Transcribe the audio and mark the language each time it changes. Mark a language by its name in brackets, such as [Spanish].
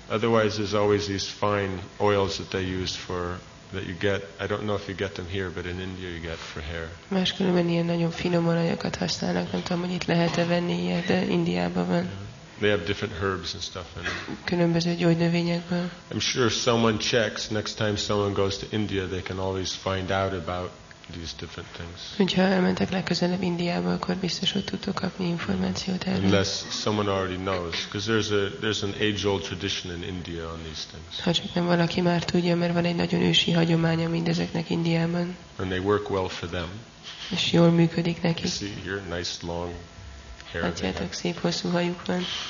[English] Otherwise, there's always these fine oils that they use for that you get. I don't know if you get them here, but in India you get for hair. [Hungarian] Máskülönben ilyen nagyon finom olajokat használnak, nem tudom, hogy itt lehet-e venni ilyet, de Indiában van. [English] They have different herbs and stuff in it. [Hungarian] Különböző gyógynövényekből. [English] I'm sure someone checks next time someone goes to India, they can always find out about these different things. [Hungarian] Hogyha elmentek legközelebb Indiába, akkor biztos, hogy tudtok kapni információt erről. [English] Unless someone already knows, because there's an age-old tradition in India on these things. [Hungarian] Ha csak nem valaki már tudja, mert van egy nagyon ősi hagyománya mindezeknek Indiában. [English] And they work well for them. [Hungarian] És jól működik neki. [English] You see here, nice long hair. [Hungarian] Látjátok, szép hosszú hajuk van.